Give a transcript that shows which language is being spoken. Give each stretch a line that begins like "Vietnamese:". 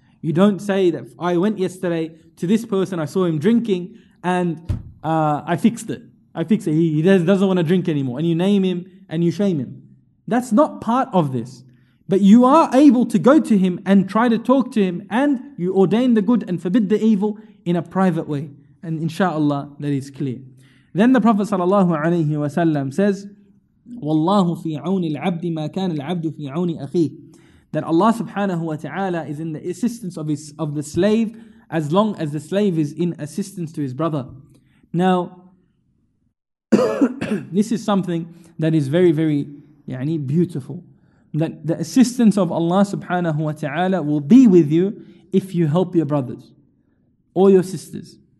English: You don't say that I went yesterday to this person, I saw him drinking, and I fixed it. He doesn't want to drink anymore. And you name him and you shame him. That's not part of this. But you are able to go to him and try to talk to him, and you ordain the good and forbid the evil in a private way. And inshallah, that is clear. Then the Prophet sallallahu alaihi wasallam says,
Arabic: وَاللَّهُ فِي عَوْنِ الْعَبْدِ مَا كَانَ الْعَبْدُ فِي عَوْنِ أَخِيهِ.
English: that Allah subhanahu wa ta'ala is in the assistance of his of the slave as long as the slave is in assistance to his brother. Now, this is something that is very, very يعني, beautiful. That the assistance of Allah subhanahu wa ta'ala will be with you if you help your brothers or your sisters.